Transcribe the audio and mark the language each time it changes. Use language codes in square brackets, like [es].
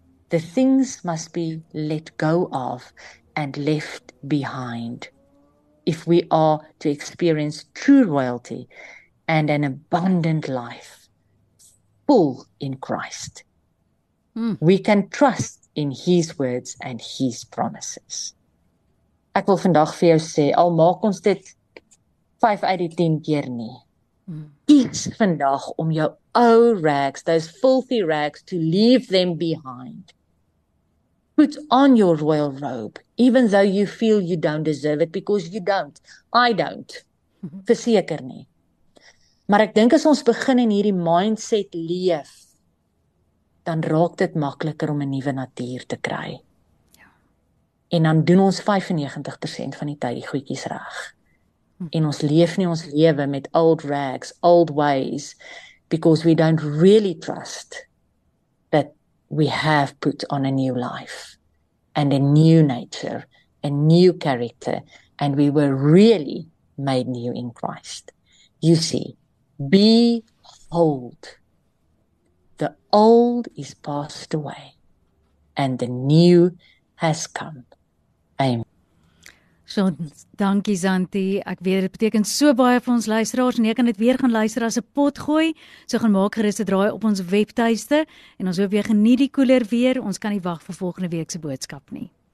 [en] The things must be let go of and left behind if we are to experience true royalty and an abundant life full in Christ. We can trust in his words and his promises. [af] Ek wil vandag vir jou sê, al maak ons dit 5 uit die 10 keer nie. Kies vandag om jou ou rags, [en] those filthy rags, to leave them behind. Put on your royal robe, even though you feel you don't deserve it, because you don't. I don't. [af] Verseker nie. Maar ek dink as ons begin in hierdie mindset leef, dan raak dit makliker om 'n nuwe natuur te kry. En dan doen ons 95% van die tyd die goedjies reg. En ons leef nie ons lewe met [en] old rags, old ways, because we don't really trust that we have put on a new life and a new nature, a new character, and we were really made new in Christ. You see, behold, the old is passed away and the new has come. [af] So, dankie Zantie, ek weet dit beteken so baie vir ons luisteraars en jy kan dit weer gaan luister as 'n pot gooi, so gaan maak gerus te draai op ons webtuiste en ons hoop jy geniet die koeler weer, ons kan nie wag vir volgende week se boodskap nie.